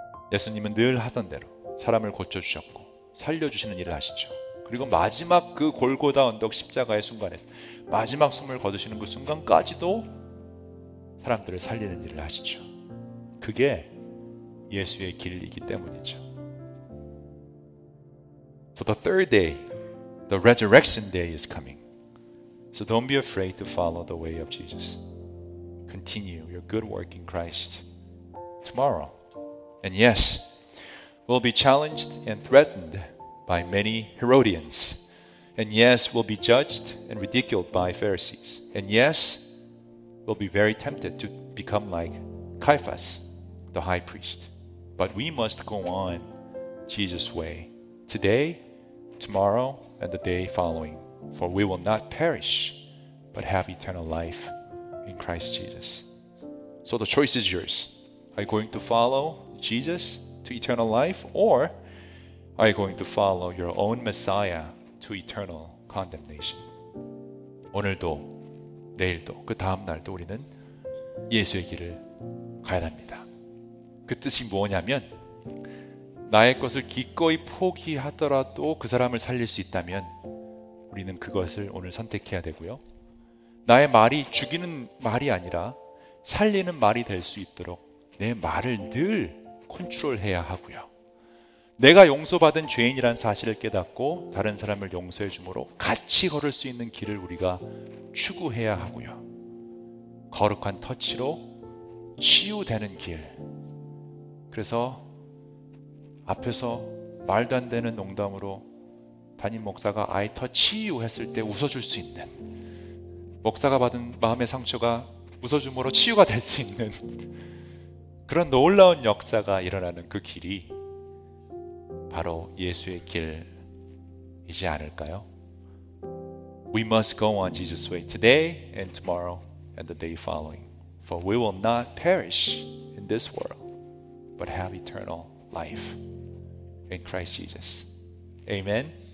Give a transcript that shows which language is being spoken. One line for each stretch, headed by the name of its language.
Korean: 예수님은 늘 하던 대로 사람을 고쳐주셨고 살려주시는 일을 하시죠. 그리고 마지막 그 골고다 언덕 십자가의 순간에서 마지막 숨을 거두시는 그 순간까지도 사람들을 살리는 일을 하시죠. 그게 예수의 길이기 때문이죠.
English: So the third day, the resurrection day is coming. So don't be afraid to follow the way of Jesus. Continue your good work in Christ tomorrow. And yes, we'll be challenged and threatened by many Herodians. And yes, we'll be judged and ridiculed by Pharisees. And yes, we'll be very tempted to become like Caiaphas, the high priest. But we must go on Jesus' way today, tomorrow, and the day following. For we will not perish, but have eternal life in Christ Jesus. So the choice is yours. Are you going to follow Jesus to eternal life, or are you going to follow your own Messiah to eternal condemnation?
Korean: 오늘도 내일도 그 다음 날도 우리는 예수의 길을 가야 합니다. 그 뜻이 뭐냐면 나의 것을 기꺼이 포기하더라도 그 사람을 살릴 수 있다면 우리는 그것을 오늘 선택해야 되고요. 나의 말이 죽이는 말이 아니라 살리는 말이 될 수 있도록 내 말을 늘 컨트롤해야 하고요. 내가 용서받은 죄인이란 사실을 깨닫고 다른 사람을 용서해 주므로 같이 걸을 수 있는 길을 우리가 추구해야 하고요. 거룩한 터치로 치유되는 길. 그래서 앞에서 말도 안 되는 농담으로 담임 목사가
English: 아이 터치유
Korean: 했을 때 웃어줄 수 있는, 목사가 받은 마음의 상처가 웃어줌으로 치유가 될 수 있는 그런 놀라운 역사가 일어나는 그 길이 바로 예수의 길이지 않을까요?
English: We must go on Jesus' way today and tomorrow and the day following. For we will not perish in this world, but have eternal life in Christ Jesus. Amen.